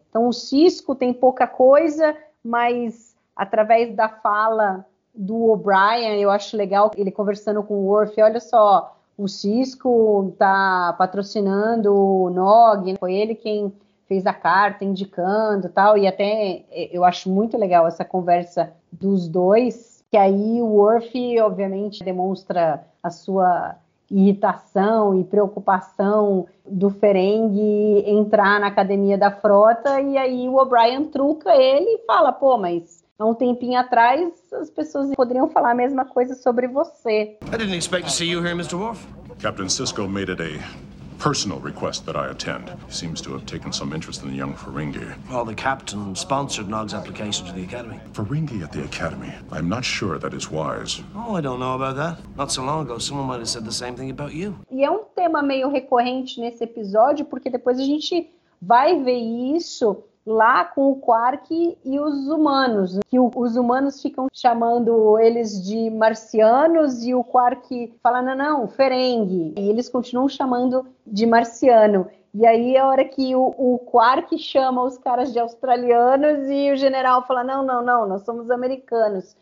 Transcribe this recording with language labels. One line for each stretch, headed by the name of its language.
Portuguese: Então o Sisko tem pouca coisa, mas através da fala do O'Brien, eu acho legal ele conversando com o Worf, olha só, o Sisko está patrocinando o Nog, foi ele quem fez a carta indicando e tal, e até eu acho muito legal essa conversa dos dois, que aí o Worf obviamente demonstra a sua irritação e preocupação do Ferengi entrar na Academia da Frota, e aí o O'Brien truca ele e fala, pô, mas há um tempinho atrás as pessoas poderiam falar a mesma coisa sobre você.
English: I didn't expect to see you here, Mr. Worf. Captain Sisko made it a personal request that I attend. He seems to have taken some interest in the young Ferengi. Well, the captain sponsored Nog's application to the Academy. Ferengi at the Academy? I'm not sure that is wise. Oh, I don't know about that. Not so long ago, someone might have said the same thing about you.
Portuguese: E é um tema meio recorrente nesse episódio, porque depois a gente vai ver isso lá com o Quark e os humanos. Que os humanos ficam chamando eles de marcianos e o Quark fala, não, Ferengi. E eles continuam chamando de marciano. E aí é a hora que o Quark chama os caras de australianos e o general fala, não, nós somos americanos.